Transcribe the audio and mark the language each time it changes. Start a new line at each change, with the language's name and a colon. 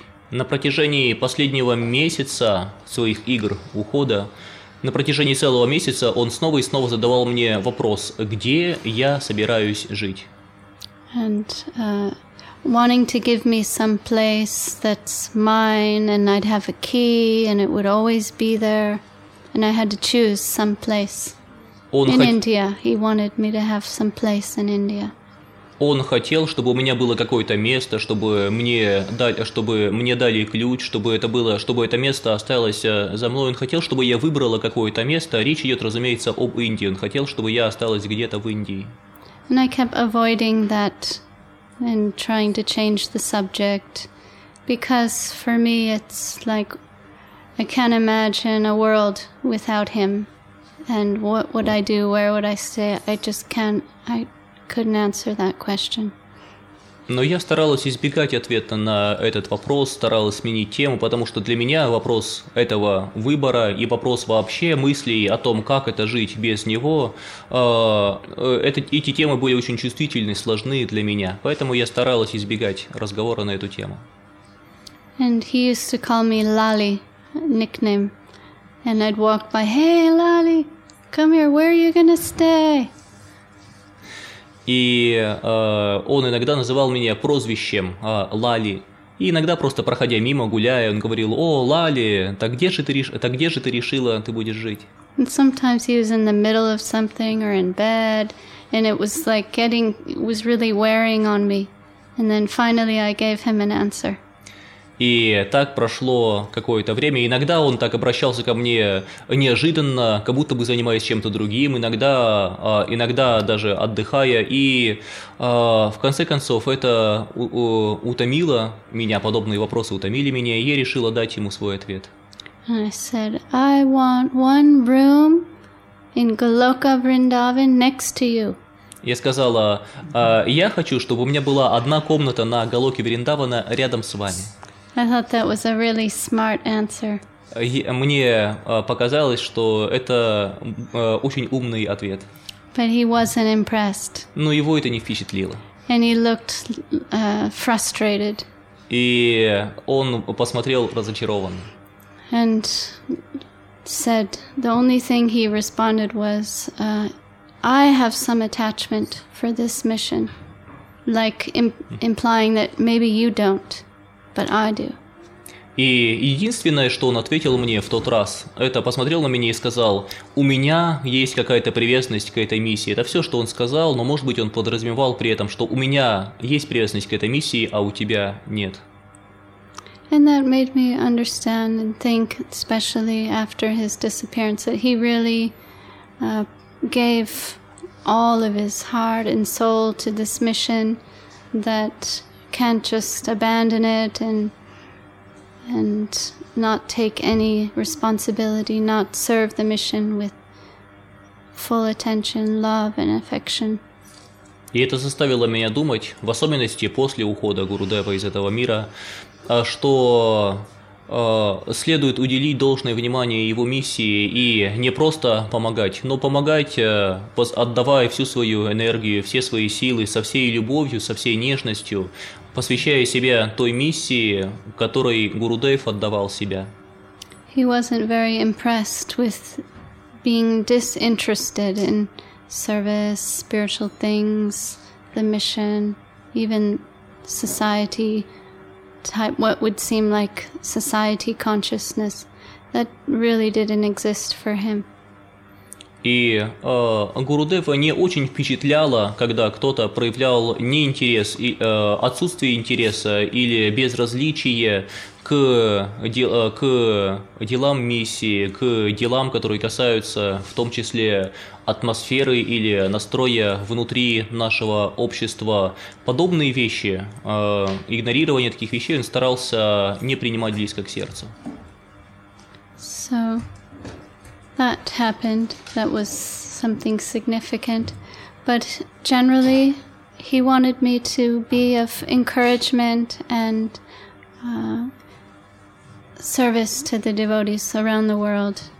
Russian: На протяжении последнего месяца своих игр ухода, на протяжении целого месяца он снова и снова задавал мне вопрос, где я собираюсь жить.
English: And wanting to give me some place that's mine and I'd have a key and it would always be there. And I had to choose some place India. He wanted me to have some place in India.
Russian: Он хотел, чтобы у меня было какое-то место, чтобы мне дали ключ, чтобы это место осталось за мной. Он хотел, чтобы я выбрала какое-то место. Речь идет, разумеется, об Индии. Он хотел, чтобы я осталась где-то в Индии.
English: And I kept avoiding that and trying to change the subject because for me it's like I can't imagine a world without him. And what would I do? Where would I stay? I couldn't answer that question.
Russian: Но я старалась избегать ответа на этот вопрос, старалась сменить тему, потому что для меня вопрос этого выбора и вопрос вообще мыслей о том, как это жить без него, эти темы были очень чувствительны, сложны для меня. Поэтому я старалась избегать разговора на эту тему.
English: And he used to call me Lali, nickname. And I'd walk by, hey, Lali, come here, where are you gonna stay?
Russian: И он иногда называл меня прозвищем Лали. И иногда, просто проходя мимо, гуляя, он говорил, о, Лали, так где же ты решила, ты будешь жить?
English: And sometimes he was in the middle of something or in bed, and it was like getting, it was really wearing on me. And then finally I gave him an answer.
Russian: И так прошло какое-то время. Иногда он так обращался ко мне неожиданно, как будто бы занимаясь чем-то другим, иногда даже отдыхая. И в конце концов это утомило меня, подобные вопросы утомили меня, и я решила дать ему свой ответ.
English: And I said, I want one room in Goloka Vrindavan next to you.
Russian: Я сказала, я хочу, чтобы у меня была одна комната на Голоке Вриндавана рядом с вами.
English: I thought that was a really smart answer.
Russian: Мне показалось, что это очень умный ответ.
English: But he wasn't impressed.
Russian: Но его это не впечатлило.
English: And he looked frustrated.
Russian: И он посмотрел разочарованно.
English: And said the only thing he responded was, "I have some attachment for this mission," like implying that maybe you don't. But I do.
Russian: И единственное, что он ответил мне в тот раз, это посмотрел на меня и сказал, у меня есть какая-то привязанность к этой миссии. Это все, что он сказал, но, может быть, он подразумевал при этом, что у меня есть привязанность к этой миссии, а у тебя нет.
English: And that made me understand and think, especially after his disappearance, that he really gave all of his heart and soul to this mission, that can't just abandon it and not take any responsibility, not serve the mission with full attention, love and affection.
Russian: И это заставило меня думать, в особенности после ухода Гурудева из этого мира, что следует уделить должное внимание его миссии и не просто помогать, но помогать, отдавая всю свою энергию, все свои силы, со всей любовью, со всей нежностью, посвящая себя той миссии, которой Гурудев отдавал себя.
English: He wasn't very impressed with being disinterested in service, spiritual things, the mission, even society type, what would seem like society consciousness. That really didn't exist for him.
Russian: И Гурудева не очень впечатляло, когда кто-то проявлял неинтерес, отсутствие интереса или безразличие к делам миссии, к делам, которые касаются в том числе атмосферы или настроя внутри нашего общества. Подобные вещи, игнорирование таких вещей, он старался не принимать близко к сердцу.
English: So... That happened, that was something significant, but generally he wanted me to be of encouragement and service to the devotees around the world.